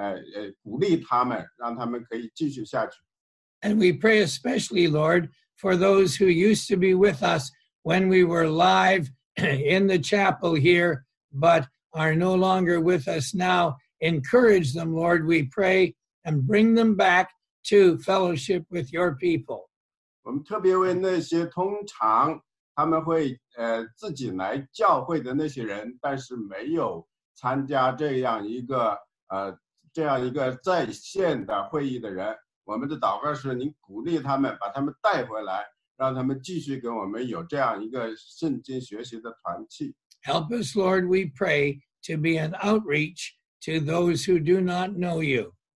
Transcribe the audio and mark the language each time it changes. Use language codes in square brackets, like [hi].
[zh] 主要我们为那些我们大家所有的在教会的参加教会人祷告，他们中有些人生病了，有些人有很大的压力和抑郁。我们的祷告是您继续拯救他们，把他们从里面拯救出来，鼓励他们，让他们可以继续下去。 [en] And we pray especially, Lord, for those who used to be with us when we were live in the chapel here, but are no longer with us now. Encourage them, Lord, we pray, and bring them back to fellowship with your people. [zh] 我们特别为那些通常他们会自己来教会的那些人，但是没有参加这样一个在线的会议的人，我们的祷告是您鼓励他们，把他们带回来。 [en] Help us, Lord, we pray, to be an outreach to those who do not know you.